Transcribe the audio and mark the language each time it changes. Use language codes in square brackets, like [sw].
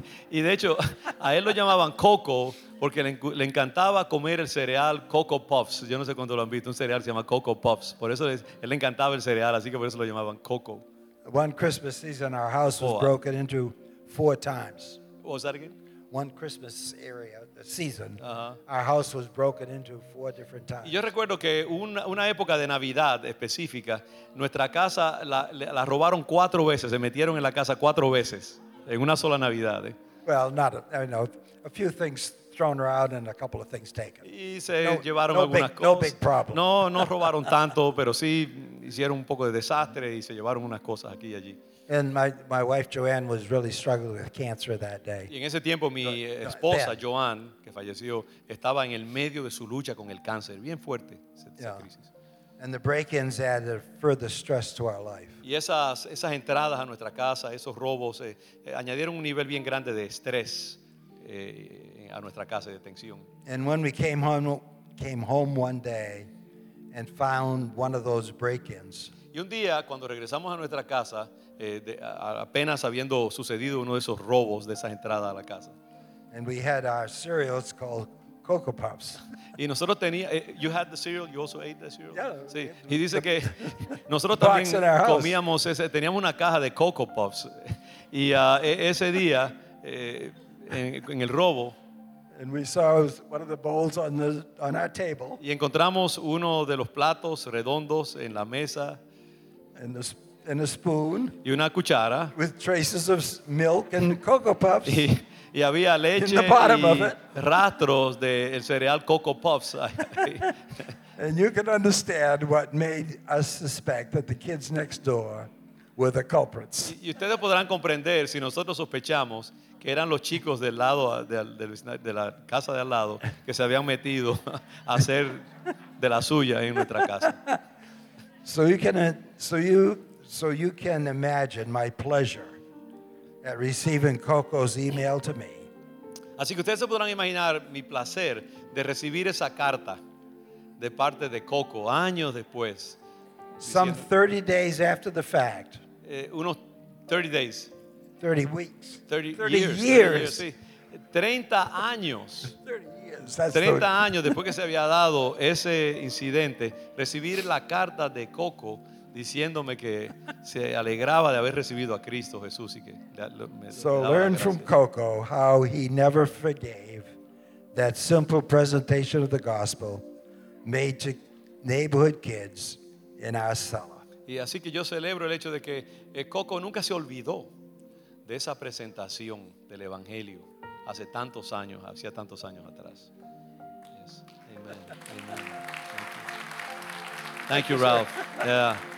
[es] Y de hecho, a él lo llamaban Coco porque le encantaba comer el cereal Coco Puffs. Yo no sé cuándo lo han visto, un cereal se llama Coco Puffs. Por eso él le encantaba el cereal, así que por eso lo llamaban Coco. [en] One Christmas season, our house was broken into 4 times. What was that again? One Christmas season, our house was broken into 4 different times. [es] Y yo recuerdo que una época de Navidad específica, nuestra casa la robaron 4 veces, se metieron en la casa 4 veces. En una sola Navidad. [en] Well, a few things thrown around and a couple of things taken. [es] Y se llevaron algunas cosas. [en] No big problem. [es] No robaron tanto, pero sí hicieron un poco de desastre y se llevaron unas cosas aquí y allí. [en] And my wife Joanne was really struggling with cancer that day. [es] Y en ese tiempo mi esposa Joanne, que falleció, estaba en el medio de su lucha con el cáncer, bien fuerte esa crisis. [en] And the break-ins added further stress to our life. [es] Y esas entradas a nuestra casa, esos robos, añadieron un nivel bien grande de estrés a nuestra casa, de tensión. [en] And when we came home one day and found one of those break-ins. [es] Y un día, cuando regresamos a nuestra casa, apenas habiendo sucedido uno de esos robos de esas entradas a la casa. [en] And we had our cereals called Coco Puffs. [es] Y nosotros teníamos, [en] you had the cereal, you also ate the cereal. Yeah, [es] sí. Y dice que nosotros también comíamos ese, teníamos una caja de Coco Puffs. Y ese día en el robo, [en] and we saw one of the bowls on our table. [es] Y encontramos uno de los platos redondos en la mesa. [en] And a spoon. [es] Y una cuchara. [en] With traces of milk and Coco Puffs. [es] Y había leche y rastros del cereal Coco Puffs. [en] And you can understand what made us suspect that the kids next door were the culprits. [es] Y ustedes podrán comprender si nosotros sospechamos que eran los chicos del lado de la casa de al lado que se habían metido a hacer de la suya en nuestra casa. [en] So you can imagine my pleasure at receiving Coco's email to me. [es] Así que ustedes se podrán imaginar mi placer de recibir esa carta de parte de Coco años después. [en] Some 30 days after the fact. [es] Unos [en] 30 days. 30 weeks. 30 years. 30 years. 30 years, [es] sí. 30 años. 30 años después que se había dado ese incidente, recibir la carta de Coco diciéndome que se alegraba de haber recibido a Cristo Jesús y que [en] me So learn from Coco how he never forgave that simple presentation of the gospel made to neighborhood kids in our cellar. [es] Y así que yo celebro el hecho de que Coco nunca se olvidó de esa presentación del evangelio hace tantos años, hacía tantos años atrás. [en] Yes. Amen. Amen. Thank you. Thank you, Ralph. Yeah.